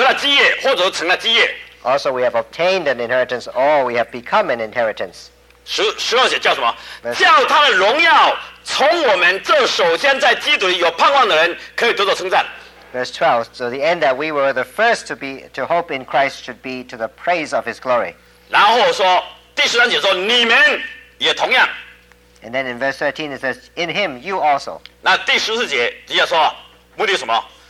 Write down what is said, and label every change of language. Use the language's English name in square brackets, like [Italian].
[Chinese] OK，我们先讲十一节好了。十一节，我们也在他里面，或者得了基业，或者成了基业。Also, [English] we have obtained an inheritance, or we have become an inheritance. [Chinese] 十二节叫什么？叫他的荣耀从我们这首先在基督里有盼望的人可以得到称赞。 [English] Verse 12, so the end that we were the first to be to hope in Christ should be to the praise of his glory. [Chinese] 然后说, [English] and then in verse 13 it says, in him you also. [Chinese] 那第十四节,直接说,目的是什么?